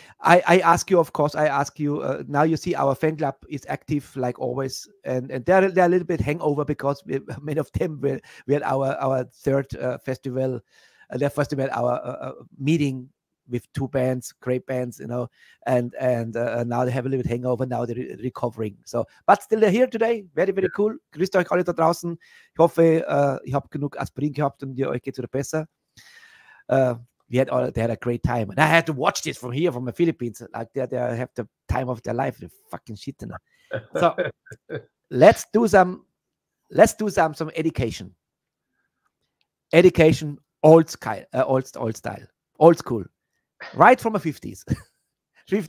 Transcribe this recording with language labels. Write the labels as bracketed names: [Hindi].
[English] I ask you, now you see our fan club is active like always, and they're a little bit hangover because many of them we had our third festival, their festival, our meeting with two bands, great bands, you know, and now they have a little bit hangover, now they're recovering. So, but still they're here today, very, very cool. [German] Grüßt euch alle da draußen. Ich hoffe, ihr habt genug Aspirin gehabt und ihr euch geht's wieder besser. [English] They had a great time. And I had to watch this from here, from the Philippines. Like, they have the time of their life, the fucking shit. So, let's do some education. Education, old school. Right from the 50s. 50s.